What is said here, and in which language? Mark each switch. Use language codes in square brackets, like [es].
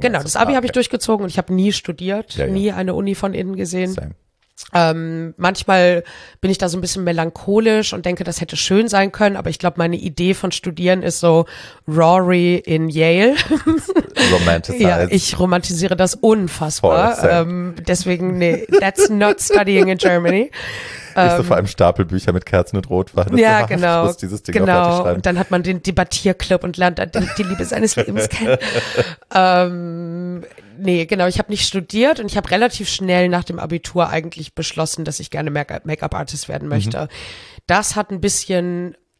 [de] genau, das Abi habe ich durchgezogen und ich habe nie studiert, nie eine Uni von innen gesehen. [en] Same. [de] Manchmal bin ich da so ein bisschen melancholisch und denke, das hätte schön sein können, aber ich glaube, meine Idee von Studieren ist so Rory in Yale. [en] Romanticized. [de] Ja, ich romantisiere das unfassbar. Deswegen, nee, [en] that's not studying in Germany. [de] Ist so vor allem Stapelbücher mit Kerzen und Rotwein. Ja, genau. Dieses Ding genau. Und dann hat man den Debattierclub und lernt die Liebe seines Lebens kennen. Ich habe nicht studiert und ich habe relativ schnell nach dem Abitur eigentlich beschlossen, dass ich gerne Make-up-Artist werden möchte. Mhm. Das hat ein bisschen